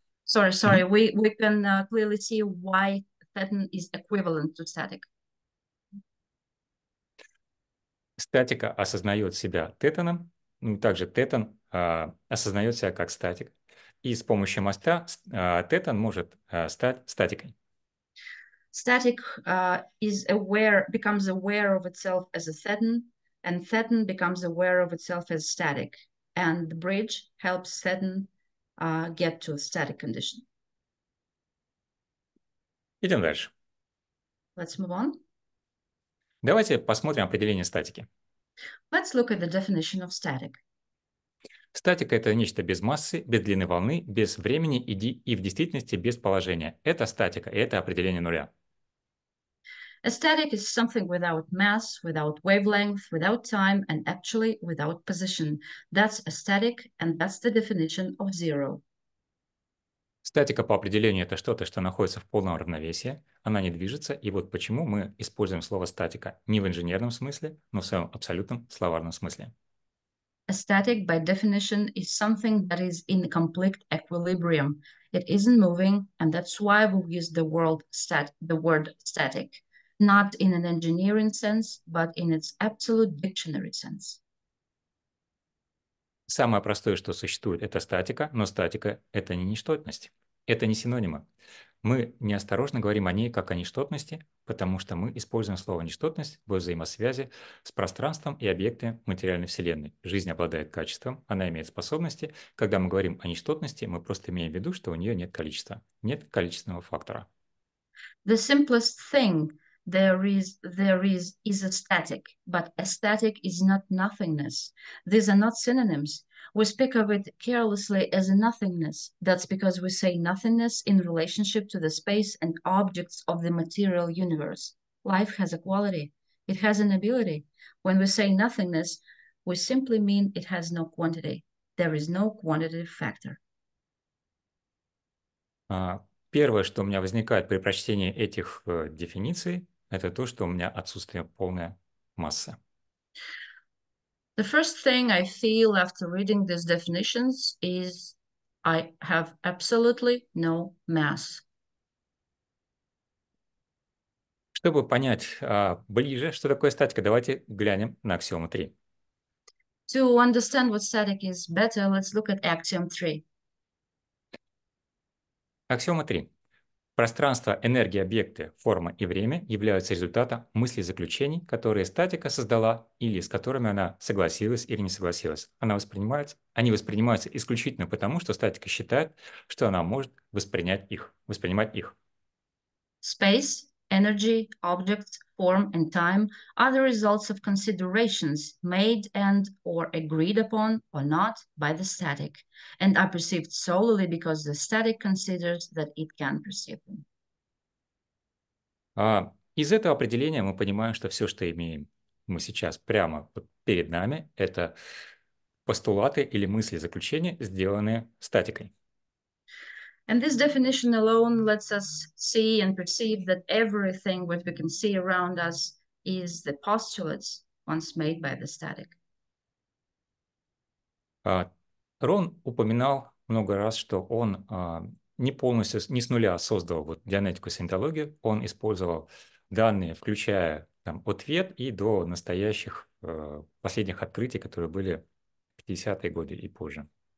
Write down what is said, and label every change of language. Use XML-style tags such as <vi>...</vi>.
<en>sorry, sorry. Mm-hmm. We can clearly see why theton is equivalent to static.</en> <ru>Статика осознает себя тетоном, также тетон осознает себя как статик. И с помощью моста тетон может стать статикой.</ru> <en>Static becomes aware of itself as a theton, and theton becomes aware of itself as static, and the bridge helps theton get to a static condition.</en> <ru>Идем дальше.</ru> <en>Let's move on.</en> <ru>Давайте посмотрим определение статики.</ru> <en>Let's look at the definition of static.</en> <ru>Статика – это нечто без массы, без длины волны, без времени и в действительности без положения. Это статика, и это определение нуля.</ru> <en>A static is something without mass, without wavelength, without time, and actually without position. That's a static, and that's the definition of zero.</en> <ru>Статика по определению – это что-то, что находится в полном равновесии, она не движется, и вот почему мы используем слово «статика» не в инженерном смысле, но в своем абсолютном словарном смысле.</ru> <en>A static, by definition, is something that is in complete equilibrium. It isn't moving, and that's why we use the word static, not in an engineering sense, but in its absolute dictionary sense.</en> <ru>Самое простое, что существует, это статика, но статика – это не нештотность. Это не синонимы. Мы неосторожно говорим о ней как о нештотности, потому что мы используем слово «нештотность» во взаимосвязи с пространством и объектами материальной вселенной. Жизнь обладает качеством, она имеет способности. Когда мы говорим о нештотности, мы просто имеем в виду, что у нее нет количества, нет количественного фактора.</ru> <en>The simplest thing there is a static, but a static is not nothingness. These are not synonyms. We speak of it carelessly as a nothingness. That's because we say nothingness in relationship to the space and objects of the material universe. Life has a quality. It has an ability. When we say nothingness, we simply mean it has no quantity. There is no quantitative factor.</en> <ru>Первое, что у меня возникает при прочтении этих дефиниций, это то, что у меня отсутствие полная масса.</ru> <en>The first thing I feel after reading these definitions is I have absolutely no mass.</en> <ru>Чтобы понять ближе, что такое статика, давайте глянем на аксиому 3.</ru> <en>To understand what static is better, let's look at axiom 3.</en> <ru>Аксиома 3. Пространство, энергия, объекты, форма и время являются результатом мыслей-заключений, которые статика создала или с которыми она согласилась или не согласилась. Они воспринимаются исключительно потому, что статика считает, что она может воспринимать их.</ru> <en>Space, energy, objects, form and time are the results of considerations made and or agreed upon or not by the static and are perceived solely because the static considers that it can perceive them.</en> <ru>Из этого определения мы понимаем, что все, что имеем мы сейчас прямо перед нами, это постулаты или мысли-заключения, сделанные статикой.</ru> <en>And this definition alone lets us see and perceive that everything what we can see around us is the postulates once made by the static.</en> <ru>Рон упоминал много раз, что он не полностью, не с нуля создал дианетику и саентологию. Он использовал данные, включая от Вет и до настоящих последних открытий, которые были в 50-е годы и позже.</ru>